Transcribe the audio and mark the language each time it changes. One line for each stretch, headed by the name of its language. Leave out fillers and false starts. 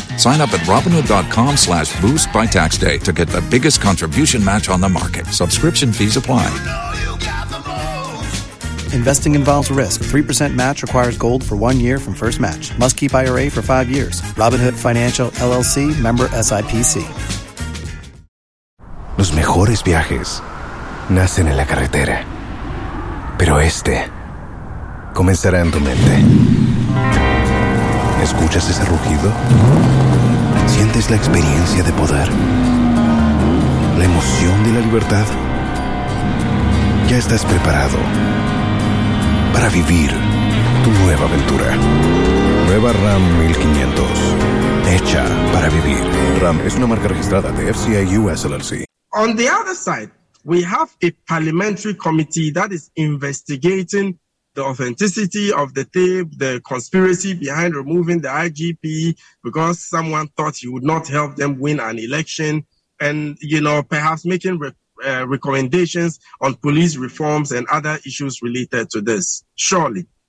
English: Sign up at Robinhood.com/boost by tax day to get the biggest contribution match on the market. Subscription fees apply. You know you got the most. Investing involves risk. 3% match requires gold for 1 year from first match. Must keep IRA for 5 years. Robinhood Financial LLC, member SIPC.
Spanish: Los mejores viajes nacen en la carretera, pero este comenzará en tu mente. ¿Escuchas ese rugido? ¿Sientes la experiencia de poder? ¿La emoción de la libertad? Ya estás preparado para vivir tu nueva aventura. Nueva Ram 1500, hecha para vivir. Ram es una marca registrada de FCA US LLC.
English: On the other side, we have a parliamentary committee that is investigating the authenticity of the tape, the conspiracy behind removing the IGP because someone thought he would not help them win an election, and, you know, perhaps making recommendations on police reforms and other issues related to this, surely.